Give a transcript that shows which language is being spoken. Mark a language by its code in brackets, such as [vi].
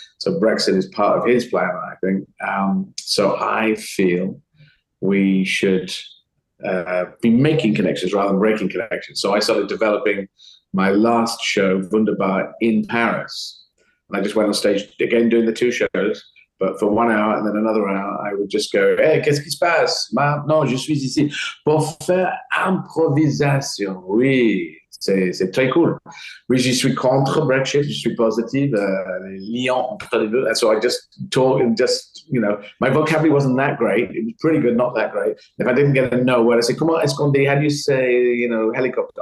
[en] So Brexit is part of his plan, I think. So I feel we should be making connections rather than breaking connections. So I started developing my last show, Wunderbar, in Paris. And I just went on stage again doing the 2 shows, but for 1 hour, and then another hour, I would just go, hey, [fr] qu'est-ce qui se passe? Maintenant, je suis ici pour faire improvisation. Oui, c'est très cool. Oui, je suis contre Brexit, je suis positive. Lyon, entre les deux. [en] And so I just talk and just, you know, my vocabulary wasn't that great. It was pretty good, not that great. If I didn't get a no word, I say, [fr] comment est-ce qu'on dit? [en] How do you say, you know, helicopter?